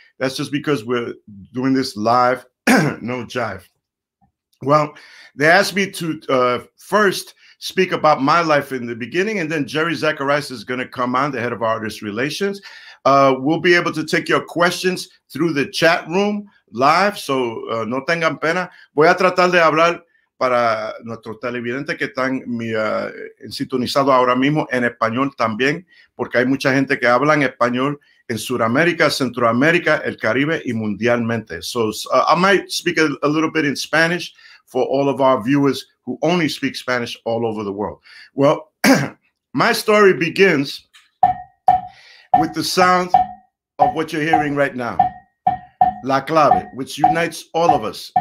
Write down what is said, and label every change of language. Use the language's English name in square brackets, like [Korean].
[English] That's just because we're doing this live, no jive. Well, they asked me to first speak about my life in the beginning, and then Jerry Zacharias is going to come on, the head of artist relations. We'll be able to take your questions through the chat room live, so [Spanish] no tengan pena. Voy a tratar de hablar para nuestros televidentes que están sintonizados ahora mismo en español también, porque hay mucha gente que habla en español en Sudamérica, Centroamérica, el Caribe y mundialmente. [English] So I might speak a little bit in Spanish for all of our viewers who only speak Spanish all over the world. Well, my story begins with the sound of what you're hearing right now, La Clave, which unites all of us.